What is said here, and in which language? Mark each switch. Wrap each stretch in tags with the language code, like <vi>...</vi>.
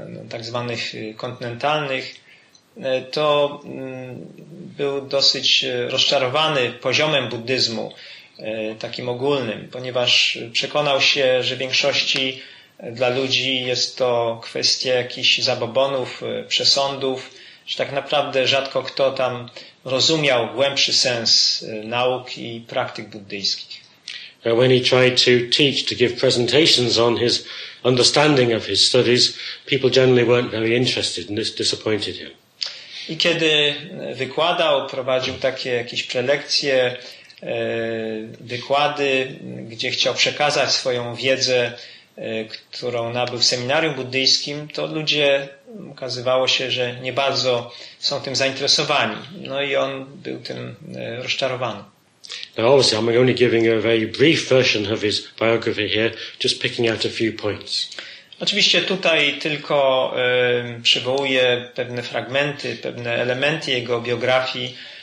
<pl>tak zwanych kontynentalnych, to był dosyć rozczarowany poziomem buddyzmu takim ogólnym, ponieważ przekonał się, że w większości dla ludzi jest to kwestia jakichś zabobonów, przesądów, że tak naprawdę rzadko kto tam rozumiał głębszy sens nauk i praktyk buddyjskich.</pl> <en>When he tried to teach, to give presentations on his understanding of his studies, people generally weren't very interested and this disappointed him.</en> <pl>I kiedy wykładał, prowadził takie jakieś prelekcje, wykłady, gdzie chciał przekazać swoją wiedzę, którą nabył w seminarium buddyjskim, to ludzie, okazywało się, że nie bardzo są tym zainteresowani. No i on był tym rozczarowany.</pl> <en>Now obviously I'm only giving a very brief version of his biography here, just picking out a few points.</en> <pl>Oczywiście tutaj tylko przywołuję pewne fragmenty, pewne elementy jego biografii.</pl>